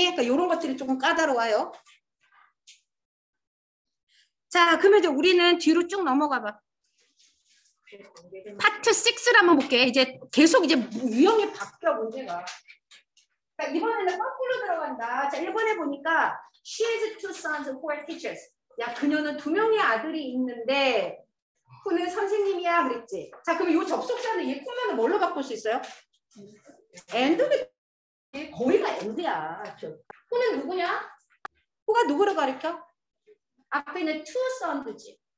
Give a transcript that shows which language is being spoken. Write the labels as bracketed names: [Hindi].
[Korean] 그러니까 이런 것들이 조금 까다로워요. 자, 그러면 이제 우리는 뒤로 쭉 넘어가 봐. 파트 6를 한번 볼게. 이제 계속 이제 유형이 바뀌어 문제가. 자, 이번에는 거꾸로 들어간다. 자, 1번에 보니까 [English] she has two sons who are teachers. [Korean] 야, 그녀는 두 명의 아들이 있는데 후는 선생님이야 그랬지. 자 그럼 이 접속사는 이 콤마는 뭘로 바꿀 수 있어요? 엔드는 거의가 엔드야. 후는 누구냐? 후가 누구로 가르켜? 앞에 있는 two sons지.